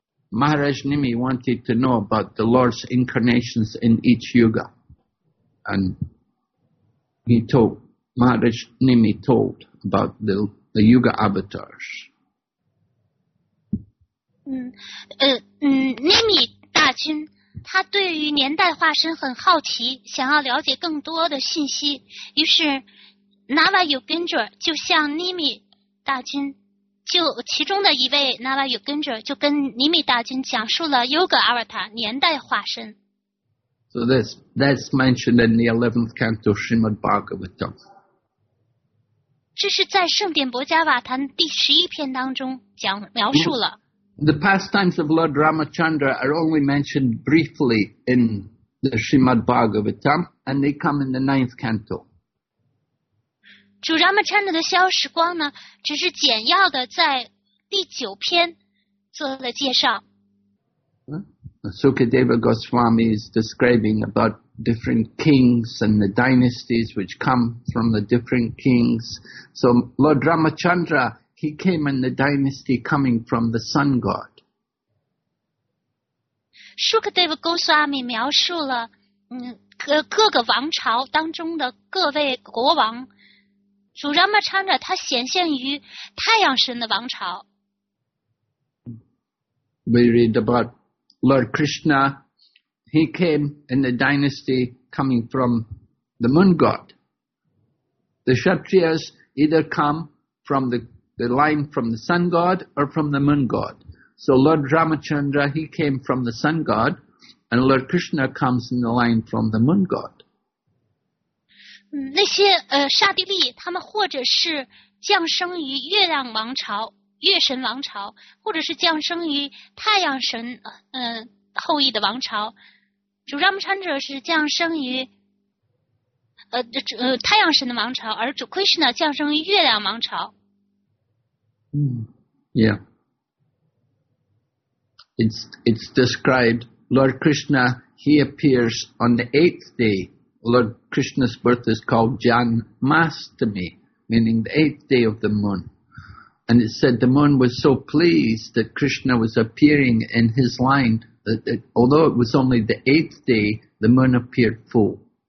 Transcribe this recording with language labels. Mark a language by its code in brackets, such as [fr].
[en] Maharaj Nimi wanted to know about the Lord's incarnations in each yuga. And he told, Maharaj Nimi told about the Yuga avatars. [zh] Nimi 大君，他对于年代化身很好奇，想要了解更多的信息。于是 Nava Yogendra 就向 Nimi 大君，就其中的一位 Nava Yogendra 就跟 Nimi 大君讲述了 Yuga avatar 年代化身。 [en] So that's mentioned in the 11th canto of Srimad Bhagavatam. [zh] 这是在圣典薄伽瓦坛第十一篇当中讲描述了。 [en] The pastimes of Lord Ramachandra are only mentioned briefly in the Srimad Bhagavatam, and they come in the 9th canto. [zh] 主 Ramachandra 的逍遥时光呢，只是简要的在第九篇做了介绍。 [en] Sukadeva Goswami is describing about different kings and the dynasties which come from the different kings. So Lord Ramachandra, he came in the dynasty coming from the sun god. [zh] Shukadeva Goswami 描述了各个王朝当中的各位国王。祖拉玛查那他显现于太阳神的王朝。 [en] We read about Lord Krishna. He came in the dynasty coming from the moon god. The Kshatriyas either come from the line from the sun god or from the moon god. So Lord Ramachandra, he came from the sun god, and Lord Krishna comes in the line from the moon god. [zh] 那些刹帝利他们或者是降生于月亮王朝月神王朝或者是降生于太阳神后裔的王朝主拉姆昌者是降生于太阳神的王朝而主 Krishna 降生于月亮王朝。 [en] It's described Lord Krishna, he appears on the eighth day. Lord Krishna's birth is called Janmashtami, meaning the eighth day of the moon. And it said the moon was so pleased that Krishna was appearing in his line, that it, although it was only the eighth day, the moon appeared full.